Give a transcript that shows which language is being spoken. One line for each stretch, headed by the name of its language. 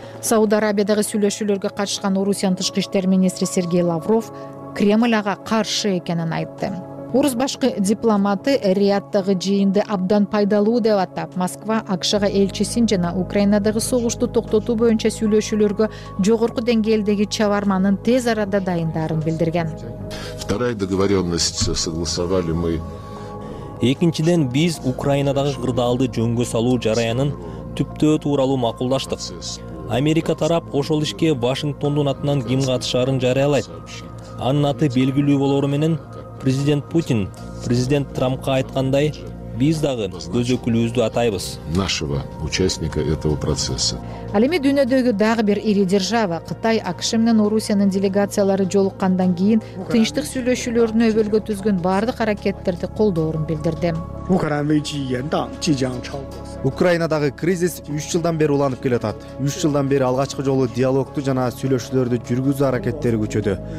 Kyrgyz: Сауд Арабиядагы сүйлөшүүлөргө катышкан Орусиянын тышкы иштер министри Сергей Лавров Кремль ага каршы экенин айтты. Орус башкы дипломаты Риаддагы жыйынды абдан пайдалуу деп атап, Москва АКШга элчисин жана Украинадагы согушту токтотуу боюнча сүйлөшүүлөргө жогорку деңгээлдеги чабарманын тез арада дайындарын билдирген.
Russian: Вторая договорённость согласовали мы.
Kyrgyz: Экинчиден биз Украинадагы кырдаалды жөнгө салуу жараянын түптөө тууралуу макулдаштык. Америка тарап ошол ишке Вашингтондун атынан ким катышарын жарыялайт. Анын аты белгилүү болору менен президент Путин, президент Трампка айткандай, биз дагы өзөкүлүбүздү атайбыз.
Russian: Нашего участника этого процесса.
Kyrgyz: Ал эми дүйнөдөгү дагы бир ири держава, Кытай, АКШ менен Орусиянын делегациялары жолуккандан кийин тынчтык сүйлөшүүлөрүнө өбөлгө түзгөн бардык аракеттерди колдоорун билдирди. Украинадагы кризис 3 жылдан бери уланып келе жатат. 3 жылдан бери алгачкы жолу диалогду жана сүйлөшүүлөрдү жүргүзүү аракеттери күчөдү.